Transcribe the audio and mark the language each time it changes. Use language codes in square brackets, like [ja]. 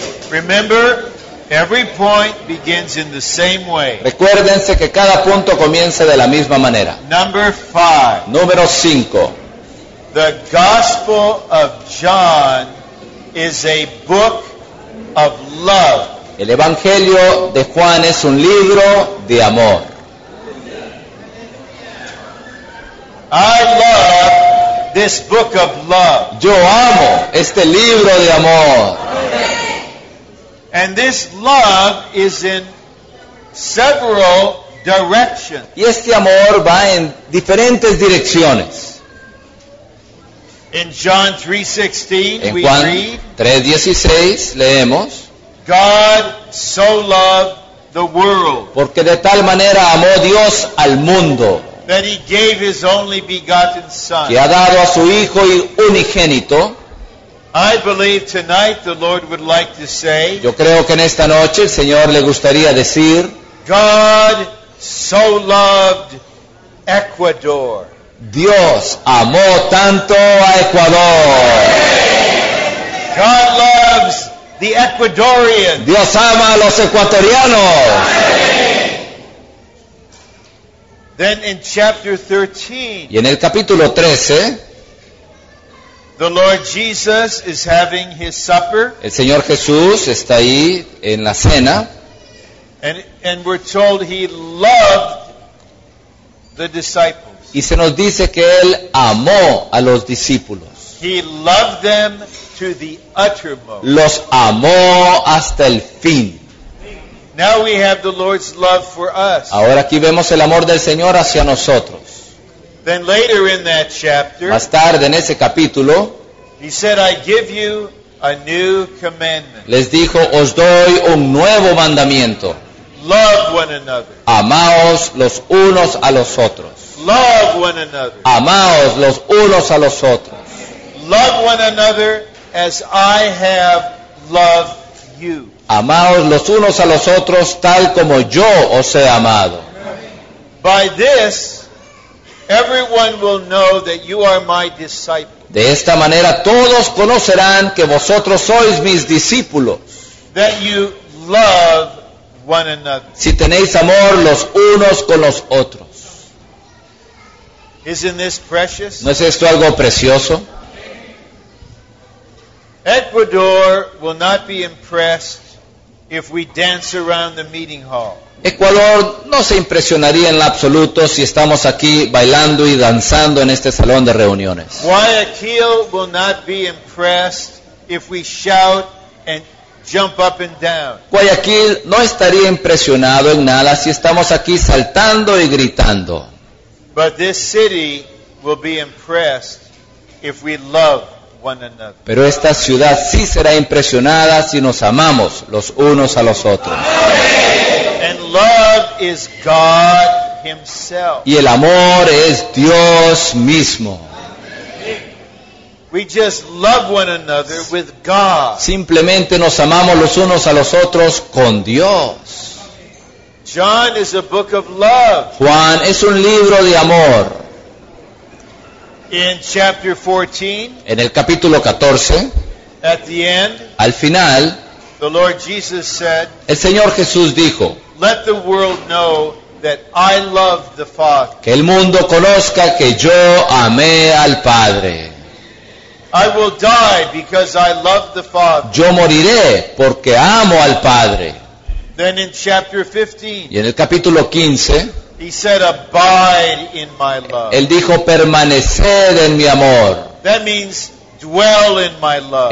[en] Remember, every point begins in the same way. [es] Recuérdense que cada punto comienza de la misma manera. [en] Number five. [es] Número cinco. [en] The Gospel of John is a book of love. [es] El Evangelio de Juan es un libro de amor. [en] I love this book of love. [es] Yo amo este libro de amor. [en] And this love is in several directions. [es] Y este amor va en diferentes direcciones. [en] In John 3:16 we [es] Juan [en] read. [es] 3:16 leemos. [en] God so loved the world. [es] Porque de tal manera amó Dios al mundo. [en] That he gave his only begotten son. [es] Que ha dado a su hijo unigénito. [en] I believe tonight the Lord would like to say. [es] Yo creo que en esta noche el Señor le gustaría decir. [en] God so loved Ecuador. [es] Dios amó tanto a Ecuador. [en] God loves the Ecuadorians. [es] Dios ama a los ecuatorianos. [en] Then in chapter 13, [es] y en el capítulo 13, [en] the Lord Jesus is having his supper. [es] El Señor Jesús está ahí en la cena. [en] And we're told he loved the disciples. [es] Y se nos dice que él amó a los discípulos. [en] He loved them to the uttermost. [es] Los amó hasta el fin. [en] Now we have the Lord's love for us. [es] Ahora aquí vemos el amor del Señor hacia nosotros. [en] Then later in that chapter, [es] más tarde en ese capítulo, [en] he said, "I give you a new commandment." [es] Les dijo, "Os doy un nuevo mandamiento." [en] Love one another. [es] Amaos los unos a los otros. [en] Love one another. [es] Amaos los unos a los otros. [en] Love one another as I have loved you. [es] Amaos los unos a los otros tal como yo os he amado. [en] By this, everyone will know that you are my disciples. [es] De esta manera todos conocerán que vosotros sois mis discípulos. [en] That you love one another. [es] Si tenéis amor los unos con los otros. [en] Isn't this precious? [es] ¿No es esto algo precioso? [en] Ecuador will not be impressed if we dance around the meeting hall. [es] Ecuador no se impresionaría en absoluto si estamos aquí bailando y danzando en este salón de reuniones. [en] Guayaquil will not be impressed if we shout and jump up and down. [es] Guayaquil no estaría impresionado en nada si estamos aquí saltando y gritando. [en] But this city will be impressed if we love one another. [es] Pero esta ciudad sí será impresionada si nos amamos los unos a los otros. [en] And love is God himself. [es] Y el amor es Dios mismo. [en] We just love one another with God. [es] Simplemente nos amamos los unos a los otros con Dios. [en] John is a book of love. [es] Juan es un libro de amor. [en] In chapter 14, [es] en el capítulo 14, [en] at the end, [es] al final, [en] the Lord Jesus said, [es] el Señor Jesús dijo, [en] "Let the world know that I love the Father." [es] Que el mundo conozca que yo amé al Padre. [en] "I will die because I love the Father." [es] Yo moriré porque amo al Padre. [en] Then in chapter 15, [es] y en el capítulo 15, [en] he said, "Abide in my love." [es] Él dijo, "Permaneced en mi amor." [en] That means dwell in my love.